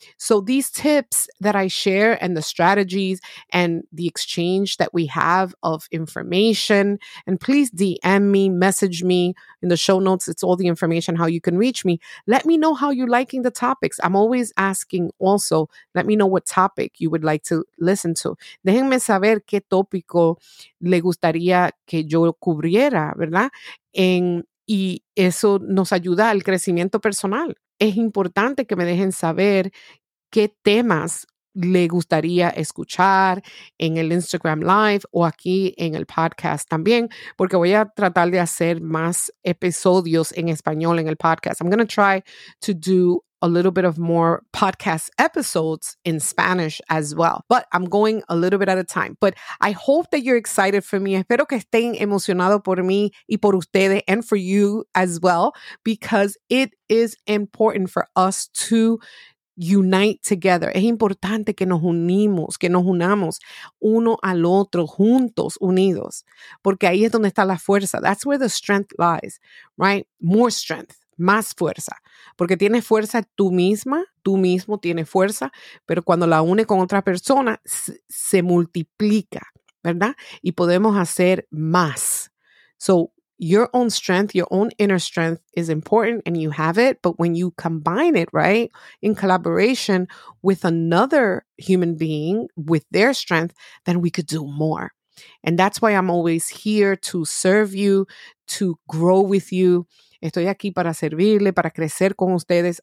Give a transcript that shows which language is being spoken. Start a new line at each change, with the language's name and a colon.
English: So these tips that I share and the strategies and the exchange that we have of information, and please DM me, message me in the show notes. It's all the information, how you can reach me. Let me know how you're liking the topics. I'm always asking also, let me know what topic you would like to listen to.
Spanish: Déjenme saber qué tópico le gustaría que yo cubriera, ¿verdad? Y eso nos ayuda al crecimiento personal. Es importante que me dejen saber qué temas le gustaría escuchar en el Instagram Live o aquí en el podcast también, porque voy a tratar de hacer más episodios en español en el podcast.
English: I'm going to try to do a little bit of more podcast episodes in Spanish as well. But I'm going a little bit at a time. But I hope that you're excited for me.
Spanish: Espero que estén emocionados por mí y por ustedes
English: and for you as well,
Spanish: because it is important for us to unite together. Es importante que nos unimos, que nos unamos uno al otro, juntos, unidos, porque ahí es donde está la fuerza.
English: That's where the strength lies, right? More strength.
Spanish: Más fuerza, porque tienes fuerza tú misma, tú mismo tienes fuerza, pero cuando la une con otra persona, se multiplica, ¿verdad? Y podemos hacer más.
English: So, your own strength, your own inner strength is important and you have it, but when you combine it, right, in collaboration with another human being, with their strength, then we could do more. And that's why I'm always here to serve you, to grow with you.
Spanish: Estoy aquí para servirle, para crecer con ustedes.